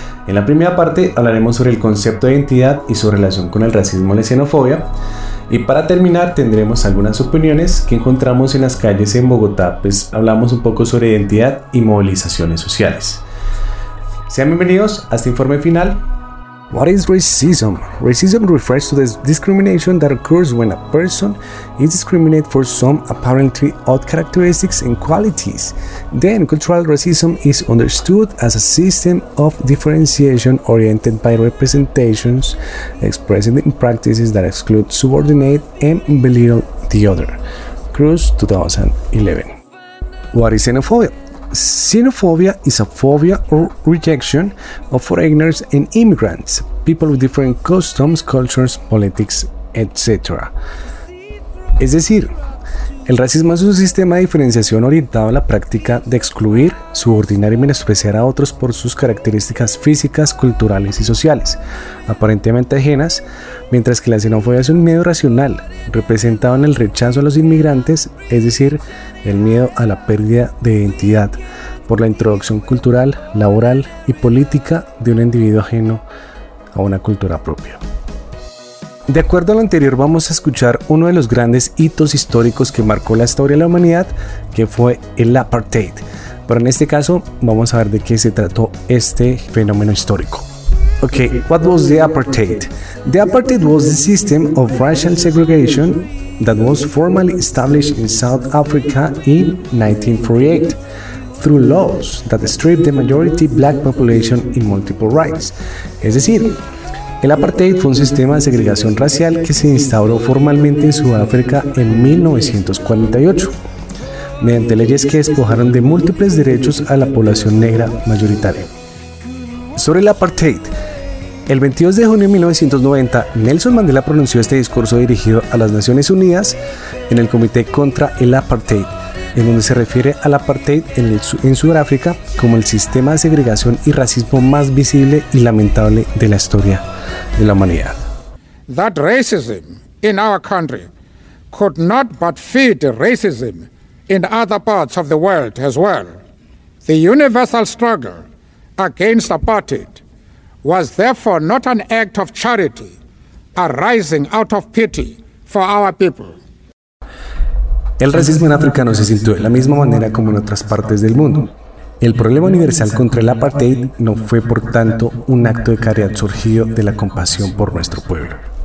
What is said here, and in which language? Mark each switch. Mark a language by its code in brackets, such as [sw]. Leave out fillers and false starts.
[es] En la primera parte hablaremos sobre el concepto de identidad y su relación con el racismo y la xenofobia. Y para terminar tendremos algunas opiniones que encontramos en las calles en Bogotá, pues hablamos un poco sobre identidad y movilizaciones sociales. Sean bienvenidos a este informe final. [en] What is racism? Racism refers to the discrimination that occurs when a person is discriminated for some apparently odd characteristics and qualities. Then, cultural racism is understood as a system of differentiation oriented by representations expressed in practices that exclude, subordinate, and belittle the Other, Cruise 2011. What is xenophobia? Xenophobia is a phobia or rejection of foreigners and immigrants, people with different customs, cultures, politics, etc. [es] Es decir, el racismo es un sistema de diferenciación orientado a la práctica de excluir, subordinar y menospreciar a otros por sus características físicas, culturales y sociales, aparentemente ajenas, mientras que la xenofobia es un miedo racional, representado en el rechazo a los inmigrantes, es decir, el miedo a la pérdida de identidad por la introducción cultural, laboral y política de un individuo ajeno a una cultura propia. De acuerdo a lo anterior, vamos a escuchar uno de los grandes hitos históricos que marcó la historia de la humanidad, que fue el apartheid. Pero en este caso, vamos a ver de qué se trató este fenómeno histórico. [en] Okay, what was the apartheid? The apartheid was the system of racial segregation that was formally established in South Africa in 1948 through laws that stripped the majority black population in multiple rights. [es] Es decir, el apartheid fue un sistema de segregación racial que se instauró formalmente en Sudáfrica en 1948, mediante leyes que despojaron de múltiples derechos a la población negra mayoritaria. Sobre el apartheid, el 22 de junio de 1990, Nelson Mandela pronunció este discurso dirigido a las Naciones Unidas en el Comité contra el Apartheid, en donde se refiere al apartheid en Sudáfrica como el sistema de segregación y racismo más visible y lamentable de la historia de la humanidad. [en] That racism in our country could not but feed racism in other parts of the world as well. The universal struggle against apartheid was therefore not an act of charity arising out of pity for our people. [es] El racismo en África no se sintió de la misma manera como en otras partes del mundo. El problema universal contra el apartheid no fue, por tanto, un acto de caridad surgido de la compasión por nuestro pueblo.